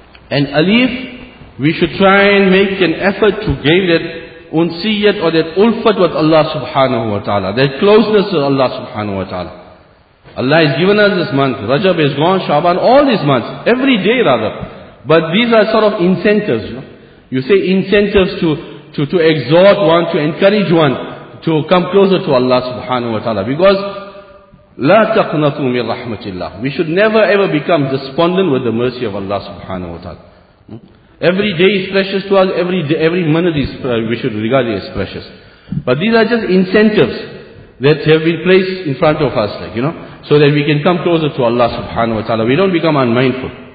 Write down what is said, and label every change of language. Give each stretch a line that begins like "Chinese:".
English: And alif, we should try and make an effort to gain that unsiyat or that ulfat with Allah subhanahu wa ta'ala, that closeness to Allah subhanahu wa ta'ala. Allah has given us this month, Rajab is gone, Shaban, all these months, every day rather. But these are sort of incentives. You say incentives to exhort one, to encourage one, to come closer to Allah subhanahu wa ta'ala.
Arabic: Because, لَا تَقْنَطُوا مِنْ رَحْمَةِ اللَّهِ.
English: We should never ever become despondent with the mercy of Allah subhanahu wa ta'ala. Every day is precious to us, every minute is we should regard it as precious. But these are just incentives that have been placed in front of us, like, you know, so that we can come closer to Allah subhanahu wa ta'ala. We don't become unmindful.